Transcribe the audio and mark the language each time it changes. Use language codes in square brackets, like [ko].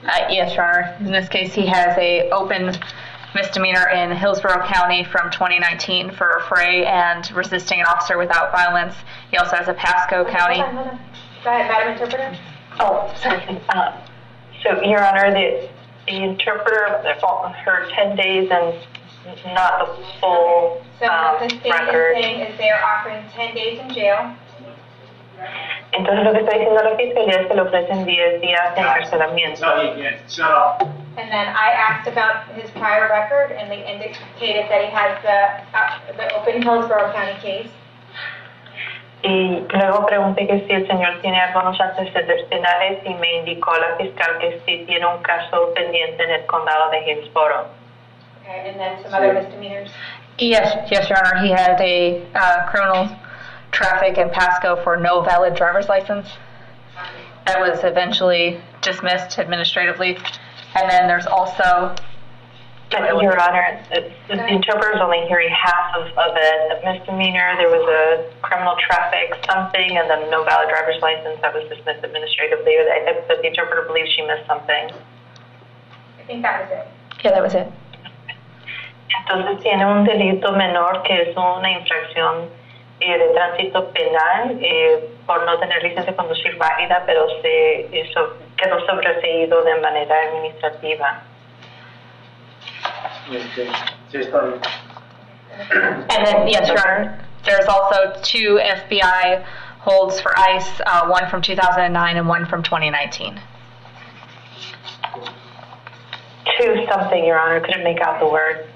[en] Yes, Your Honor. In this case, he has a open misdemeanor in Hillsborough County from 2019 for a fray and resisting an officer without violence. He also has a Pasco County. Your Honor, the interpreter heard 10 days and not the full record. Is they are offering 10 days in jail. [es] Entonces lo que está diciendo la fiscalía es que le ofrecen 10 días de encarcelamiento. [en] No, shut up. And then I asked about his prior record and they indicated that he has the open Hillsborough County case. [es] Y luego pregunté que si el señor tiene algunos antecedentes penales y me indicó la fiscal que sí tiene un caso pendiente en el condado de Hillsborough. [en] Okay, and then some other misdemeanors. Yes, Your Honor, he had a criminal traffic in Pasco for no valid driver's license. That was eventually dismissed administratively. And then there's also... Your Honor, the interpreter's only hearing half of a misdemeanor. There was a criminal traffic something and then no valid driver's license that was dismissed administratively. But the interpreter believes she missed something. I think that was it. Yeah, that was it. [es] Entonces tiene un delito menor que es una infracción de tránsito penal por no tener licencia de conducir válida, pero se quedó sobreseído de manera administrativa. [en] And then, yes, Your Honor, there's also two FBI holds for ICE, one from 2009 and one from 2019. Two something, Your Honor, couldn't make out the word.